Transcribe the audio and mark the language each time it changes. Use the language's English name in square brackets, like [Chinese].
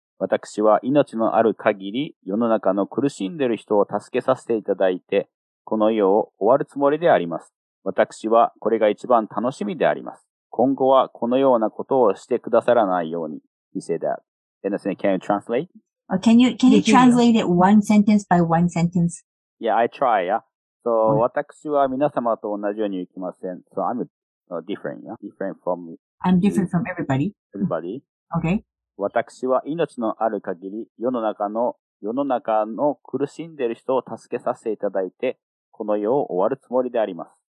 [Japanese] 私は命のある限り世の中の苦しんでる人を助けさせていただいて、この世を終わるつもりであります。私はこれが一番楽しみであります。今後はこのようなことをしてくださらないように。 [English] He said that. And I said, can you translate? Can you translate it one sentence by one sentence? Yeah, I try, yeah. So, what? [Japanese] 私は皆様と同じように行きません。 [English] So, I'm different, yeah? Different from... I'm different from everybody. Everybody. Okay. [Japanese] 私は命のある限り、世の中の苦しんでる人を助けさせていただいて、この世を終わるつもりであります。